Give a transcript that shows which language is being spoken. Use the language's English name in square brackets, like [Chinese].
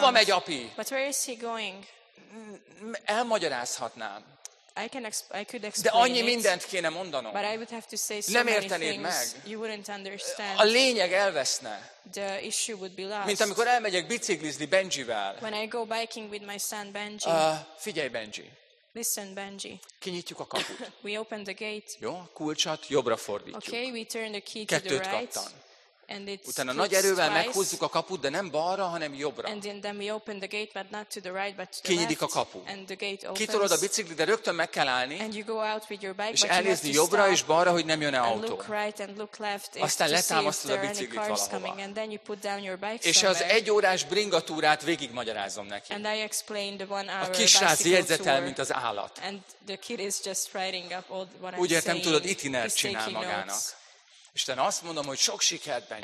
[Hungarian] Hova megy api? [English] But where is he going? [Hungarian] Elmagyarázhatnám. [English] I could explain [Hungarian] de annyi mindent kéne mondanom. [English] But I would have to say so [Hungarian] nem értenéd meg. [English] You wouldn't understand. [Hungarian] A lényeg elveszne. [English] The issue would be lost. [Hungarian] Mint amikor elmegyek biciklizni Benjivel. [English] When I go biking with my son Benji. [Hungarian] Figyelj Benji. [English] Listen, Benji. [Hungarian] Kinyitjuk a kaput. [English] We open the gate. [Hungarian] Jó, a kulcsot jobbra fordítjuk. [English] Okay, we turn the key to [Hungarian] kettőt [English] the right. And it's [Hungarian] utána nagy erővel [English] twice. [Hungarian] Meghúzzuk a kaput, de nem balra, hanem jobbra. [English] And then we open the gate, but not to the right, but to the left. [Hungarian] Kinyitik a kapu. [English] And the gate opens. [Hungarian] Kitolod a biciklit, de rögtön meg kell állni. [English] And you go out with your bike, [Hungarian] és elnézni jobbra [English] stop, [Hungarian] és balra, hogy nem jön-e autó. [English] And look right and look left. [Hungarian] Aztán letámasztod a biciklit valahova. [English] Coming, and then you put down your bike [Hungarian] és az egy órás bringatúrát végig magyarázom neki. [English] And I explain the 1 hour [Hungarian] a kisrác jegyzetel, mint az állat. [English] And the kid is just writing up all what I'm [Hungarian] úgy értem, tudod, itinert csinál magának. Isten, azt mondom, hogy sok sikert, Benji.